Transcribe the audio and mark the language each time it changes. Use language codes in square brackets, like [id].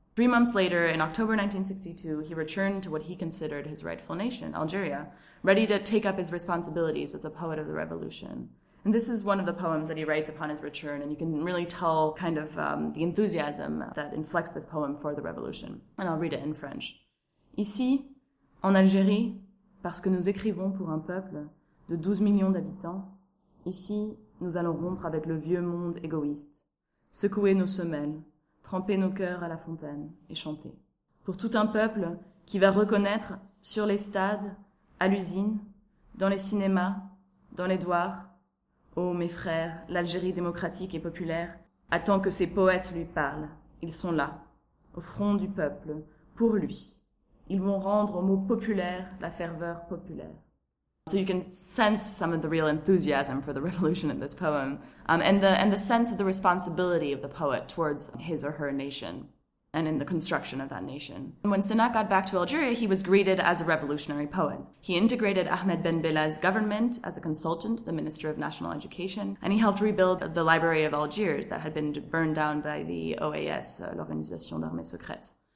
[en] 3 months later, in October 1962, he returned to what he considered his rightful nation, Algeria, ready to take up his responsibilities as a poet of the revolution. And this is one of the poems that he writes upon his return, and you can really tell kind of the enthusiasm that inflects this poem for the revolution. And I'll read it in French. [fr] Ici, en Algérie, parce que nous écrivons pour un peuple de 12 millions d'habitants, ici, nous allons rompre avec le vieux monde égoïste, secouer nos semelles, tremper nos cœurs à la fontaine et chanter. Pour tout un peuple qui va reconnaître sur les stades, à l'usine, dans les cinémas, dans les douars, oh, mes frères, l'Algérie démocratique et populaire attend que ses poètes lui parlent. Ils sont là, au front du peuple, pour lui. Ils vont rendre au mot populaire la ferveur populaire. [en] So you can sense some of the real enthusiasm for the revolution in this poem, and the sense of the responsibility of the poet towards his or her nation. and in the construction of that nation. When Sanat got back to Algeria, he was greeted as a revolutionary poet. He integrated Ahmed Ben Bella's government as a consultant to the Minister of National Education, and he helped rebuild the Library of Algiers that had been burned down by the OAS, l'Organisation d'Armées Secrètes.